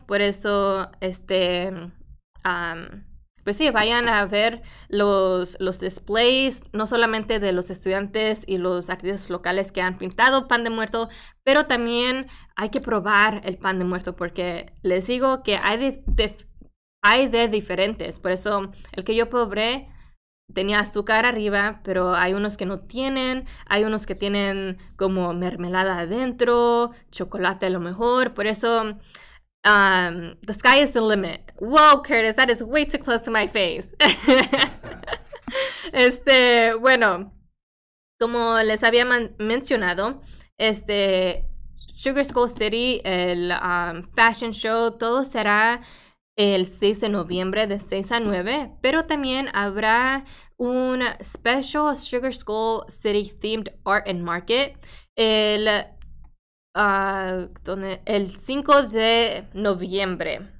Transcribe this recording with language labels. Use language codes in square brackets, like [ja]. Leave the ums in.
[es] Por eso, este... Um, pues sí, vayan a ver los, los, displays, no solamente de los estudiantes y los artistas locales que han pintado pan de muerto, pero también hay que probar el pan de muerto, porque les digo que hay de, de hay de diferentes. Por eso el que yo probé tenía azúcar arriba, pero hay unos que no tienen, hay unos que tienen como mermelada adentro, chocolate a lo mejor. Por eso, [en] um, the sky is the limit. Wow, Curtis, that is way too close to my face. [es] este, bueno, como les había mencionado, este Sugar Skull City, el um, fashion show, todo será el 6 de noviembre de 6 a 9, pero también habrá un [en] special Sugar Skull City themed art and market [es] el, uh, el 5 de noviembre.